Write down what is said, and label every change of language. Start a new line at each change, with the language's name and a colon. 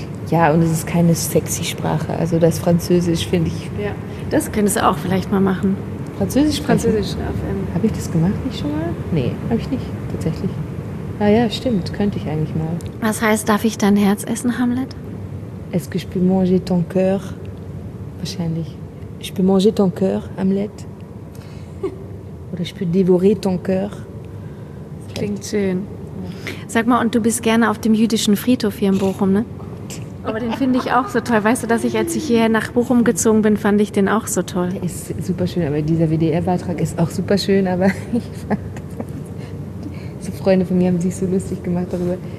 German: Ja, und es ist keine sexy Sprache. Also das Französisch finde ich. Ja, das könntest du auch vielleicht mal machen. Französisch sprechen? Französisch. Habe ich das gemacht nicht schon mal? Nee, habe ich nicht, tatsächlich. Ah ja, stimmt, könnte ich eigentlich mal. Was heißt, darf ich dein Herz essen, Hamlet?
French: Est-ce que je peux manger ton cœur?
German: Wahrscheinlich.
French: Je peux manger ton cœur, Hamlet?
German: Oder
French: je peux dévorer ton cœur.
German: Klingt schön. Sag mal, und du bist gerne auf dem jüdischen Friedhof hier in Bochum, ne? Aber den finde ich auch so toll. Weißt du, dass ich, als ich hierher nach Bochum gezogen bin, fand ich den auch so toll. Der ist super schön, aber dieser WDR-Beitrag ist auch super schön, aber so Freunde von mir haben sich so lustig gemacht darüber.